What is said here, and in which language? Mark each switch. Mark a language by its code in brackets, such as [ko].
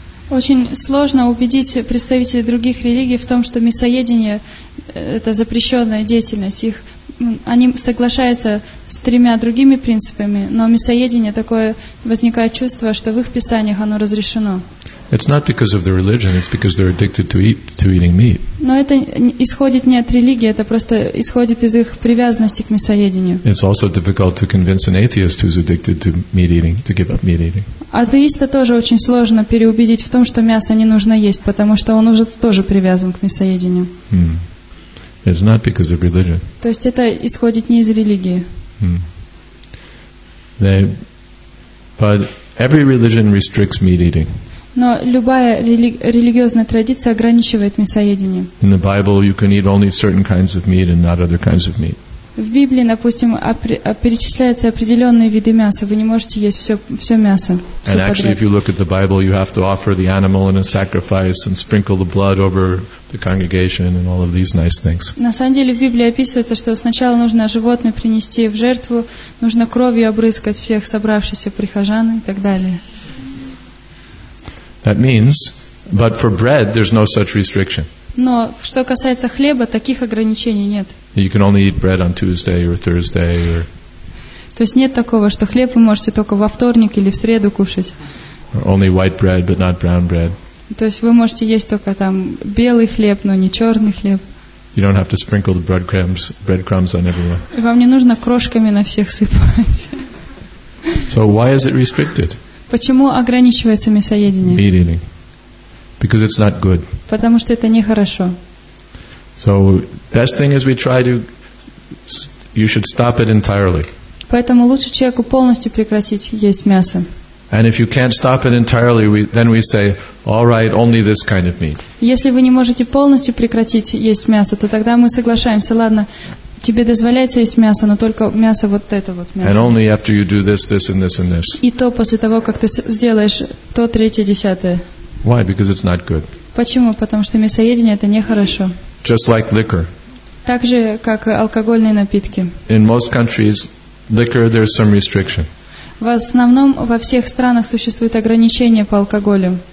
[ru] Очень сложно убедить представителей других религий в том, что мясоедение — это запрещенная деятельность. Они соглашаются с тремя другими принципами, но мясоедение такое возникает чувство, что в их писаниях оно разрешено. [en] It's not because of the religion, it's because they're addicted to eating meat. [ru] Но это исходит не от религии, это просто исходит из их привязанности к мясоедению. [en] It's also difficult to convince an atheist who's addicted to meat eating to give up meat eating. [ru] Атеиста тоже очень сложно переубедить в том, что мясо не нужно есть, потому что он уже тоже привязан к мясоедению. [en] It's not because of religion. [ru] То есть это исходит не из религии. [en] But every religion restricts meat eating. [ru] Но любая религиозная традиция ограничивает мясоедение. [en] In the Bible, you can eat only certain kinds of meat and not other kinds of meat. [ru] В Библии, допустим, перечисляются определенные виды мяса. Вы не можете есть все мясо. [en] And actually, if you look at the Bible, you have to offer the animal in a sacrifice and sprinkle the blood over the congregation and all of these nice things. [ru] На самом деле, в Библии описывается, что сначала нужно животное принести в жертву, нужно кровью обрызгать всех собравшихся прихожан и так далее. [en] That means, but for bread, there's no such restriction. [ru] Но что касается хлеба, таких ограничений нет. [en] You can only eat bread on Tuesday or Thursday or... [ru] То есть нет такого, что хлеб вы можете только во вторник или в среду кушать. [en] Only white bread, but not brown bread. [ru] То есть вы можете есть только там белый хлеб, но не черный хлеб. [en] You don't have to sprinkle the breadcrumbs on everyone. [ru] Вам не нужно крошками на всех сыпать. [en] So why is it restricted? [ru] Почему ограничивается мясоедение? [en] Meat eating. Because it's not good. [ru] Потому что это нехорошо. [en] So best thing is we try to you should stop it entirely. [ru] Поэтому лучше человеку полностью прекратить есть мясо. [en] And if you can't stop it entirely, then we say, all right, only this kind of meat. [ru] Если вы не можете полностью прекратить есть мясо, то тогда мы соглашаемся, ладно, тебе дозволяется есть мясо, но только мясо вот это вот мясо. [en] And only after you do this, this and this and this. [ru] И то после того, как ты сделаешь то, третье, десятое. [en] Why? Because it's not good. [ru] Почему? Потому что мясоедение это нехорошо. [en] Just like liquor. [ru] Так же, как алкогольные напитки. [en] In most countries, liquor, there's some restriction. [ru] В основном во всех странах существует ограничение по алкоголю.